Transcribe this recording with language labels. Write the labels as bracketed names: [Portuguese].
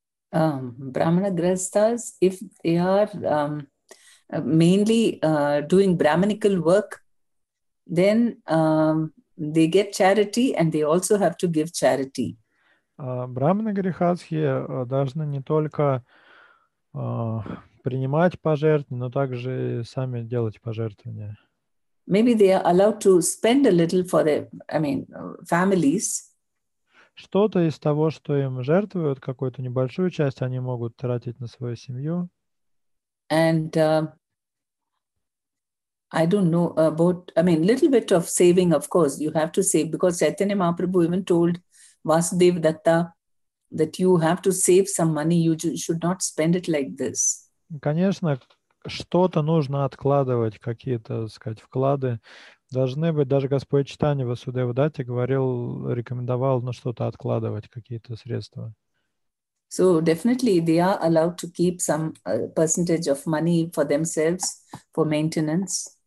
[English] Brahmana grihasthas, if they are mainly doing brahmanical work, then they get charity and they also have to give charity. [Russian] Брахманы грихасхи должны не только принимать пожертвования, но также и сами делать пожертвования. [English] Maybe they are allowed to spend a little for their, I mean, families. [Russian] Что-то из того, что им жертвуют, какую-то небольшую часть, они могут тратить на свою семью. [English] And I don't know about, I mean, little bit of saving, of course, you have to save, because Chaitanya Mahaprabhu even told Vasudev Datta, that you have to save some money, you should not spend it like this. [Russian] Конечно, что-то нужно откладывать, какие-то, так сказать, вклады. Должны быть, даже Господь Чайтанья Васудева Датта говорил, рекомендовал на что-то откладывать, какие-то средства. [English] So definitely they are allowed to keep some percentage of money for themselves, for maintenance.